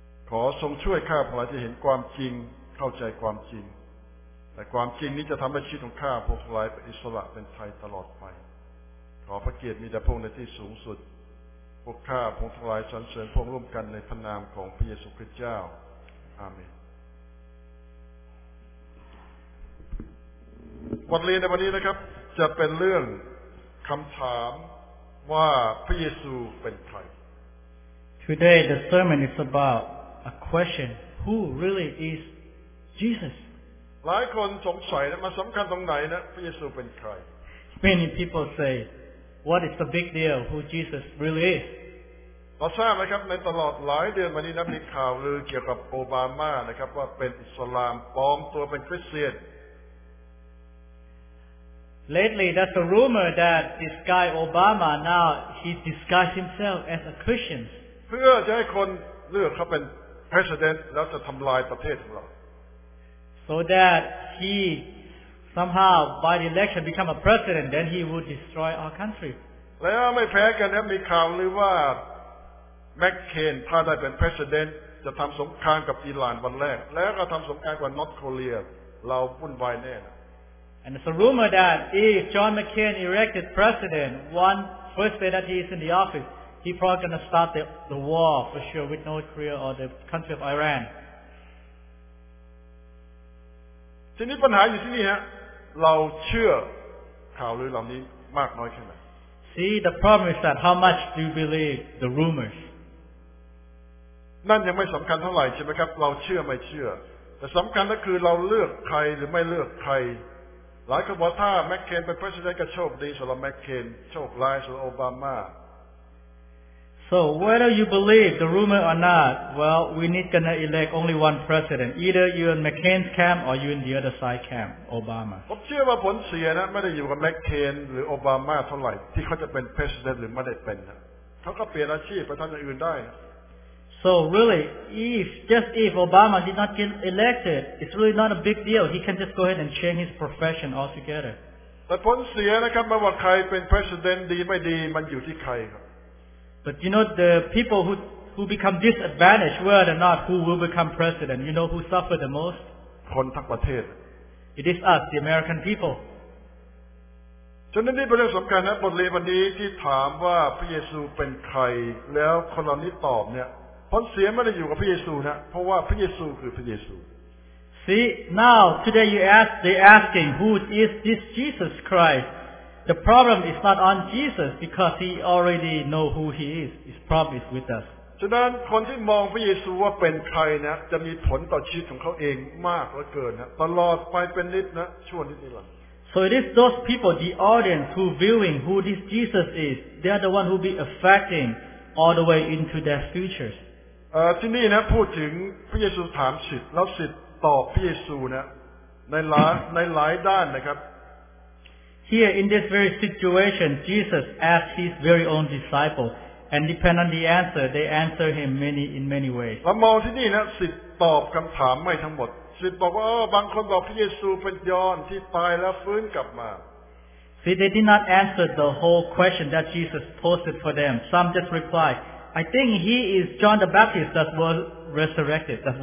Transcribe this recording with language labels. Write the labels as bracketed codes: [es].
[th] ขอทรงช่วยข้าพระองค์ที่เห็นความจริงเข้าใจความจริงและความจริงนี้จะทำให้ชีวิตของข้าพระองค์ทั้งหลายเป็นอิสระเป็นไทยตลอดไปขอพระเกียรติมีแด่พระองค์ในที่สูงสุดพวกข้าพระองค์ทั้งหลายสรรเสริญพระองค์ร่วมกันในพระนามของพระเยซูคริสต์เจ้าอาเมนบทเรียนในวันนี้นะครับจะเป็นเรื่องคำถามว่าพระเยซูเป็นใคร [en] Today the sermon is about a question who really is Jesus [th] หลายคนสงสัยนะมาสำคัญตรงไหนนะพระเยซูเป็นใคร [en] Many people sayWhat is the big deal? Who Jesus really is? [th] เราทราบนะครับในตลอดหลายเดือนมานี้นักข่าวลือเกี่ยวกับโอบามานะครับว่าเป็นอิสลามปลอมตัวเป็นคริสเตียน [en] Lately, that's a rumor that this guy Obama now he disguised himself as a Christian. [th] เพื่อจะให้คนเลือกเขาเป็น president แล้วจะทำลายประเทศของเรา [en] So that he. Somehow, by the election, become a president, then he would destroy our country. [th] แล้วไม่แพ้กันแล้วมีข่าวลือว่าแมคเคนถ้าได้เป็น president จะทำสงครามกับอิหร่านวันแรกแล้วก็ทำสงครามกับนอร์ทโคเรียเราวุ่นวายแน่ [en] And it's a rumor that if John McCain elected president, one first day that he is in the office, he probably gonna start the war for sure with North Korea or the country of Iran. [th] ทีนี้ปัญหาอยู่ที่นี่ฮะเราเชื่อข่าวลือเหล่านี้มากน้อยแค่ไหน [en] See the problem is that how much do you believe the rumors [th] นั่นยังไม่สำคัญเท่าไหร่ใช่ไหมครับเราเชื่อไม่เชื่อแต่สำคัญก็คือเราเลือกใครหรือไม่เลือกใครหลายคนบอกถ้าแมคเคนเป็นประธานก็โชคดีสำหรับแมคเคนโชคร้ายสำหรับโอบามา [en] So whether you believe the rumor or not, well, we need gonna elect only one president. Either you're in McCain's camp or you're in the other side camp, Obama. [th] ผมเชื่อว่าผลเสียนะไม่ได้อยู่กับแมคเคนหรือโอบามาเท่าไหร่ที่เขาจะเป็น president หรือไม่ได้เป็นเขาก็เปลี่ยนอาชีพไปทำอย่างอื่นได้ [en] So really, if Obama did not get elected, it's really not a big deal. He can just go ahead and change his profession altogether. [th] แต่ผลเสียนะครับไม่ว่าใครเป็น president ดีไม่ดีมันอยู่ที่ใครครับ [en] But you know the people who become disadvantaged, whether or not, who will become president, you know who suffer the most? [th] คนทั้งประเทศ [en] It is us, the American people. [th] ฉะนั้นนี่เป็นเรื่องสำคัญนะบทเรียนวันนี้ที่ถามว่าพระเยซูเป็นใครแล้วคนเหล่านี้ตอบเนี่ยผลเสียไม่ได้อยู่กับพระเยซูนะเพราะว่าพระเยซูคือพระเยซู [en] See, now, today you ask, they're asking, who is this Jesus Christ? The problem is not on Jesus because he already know who he is. His problem is with us. [th] ฉะนั้นคนที่มองพระเยซูว่าเป็นใครนะจะมีผลต่อชีวิตของเขาเองมากเหลือเกินนะตลอดไปเป็นนิดนะชั่วนิดนี่แหละ [en] So it is those people, the audience who viewing who this Jesus is, they are the one who be affecting all the way into their futures. [th] ที่นี่นะพูดถึงพระเยซูถามศิษย์แล้วศิษย์ตอบพระเยซูนะในหลายด้านนะครับ [en] Here in this very situation, Jesus asked his very own disciples. And depend on the answer, they answer him many in many ways. [th] มองที่นี่นะสิทธิ์ตอบคำถามไม่ทั้งหมดสิทธิ์บอกว่าบางคนบอกพระเยซูเป็นยอนที่ตายแล้วฟื้นกลับมา [en] See, they did not answer the whole question that Jesus posed for them. Some just replied, I think he is John the Baptist that was resurrected.